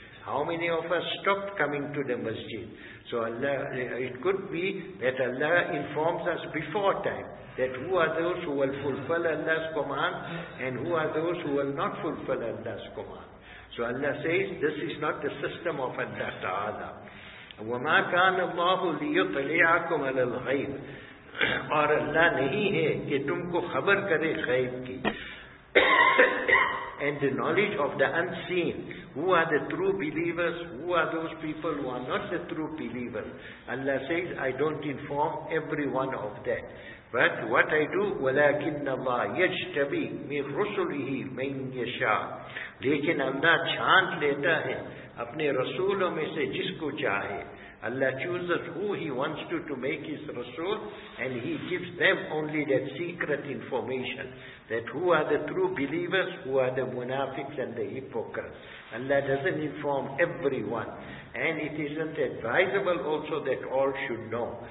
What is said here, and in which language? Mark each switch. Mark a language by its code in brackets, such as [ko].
[en] How many of us stopped coming to the masjid? So Allah, it could be that Allah informs us before time, that who are those who will fulfill Allah's command and who are those who will not fulfill Allah's command. So Allah says, this is not the system of Allah Ta'ala. [ar] وَمَا كَانَ اللَّهُ لِيُطْلِعَكُمْ عَلَى الْغَيْبِ [ur] اور اللہ نہیں ہے کہ تم کو خبر کرے غیب کی. [en] And the knowledge of the unseen. Who are the true believers? Who are those people who are not the true believers? Allah says, I don't inform everyone of that. But what I do, [ar] وَلَكِنَّ اللَّهِ يَجْتَبِي مِنْ رُسُلِهِ مَنْ يَشَاءُ [ur] لیکن اللہ چھانت لیتا ہے اپنے رسولوں میں سے جس کو چاہے. [en] Allah chooses who He wants to make His Rasul, and He gives them only that secret information, that who are the true believers, who are the munafiqs and the hypocrites. Allah doesn't inform everyone. And it isn't advisable also that all should know.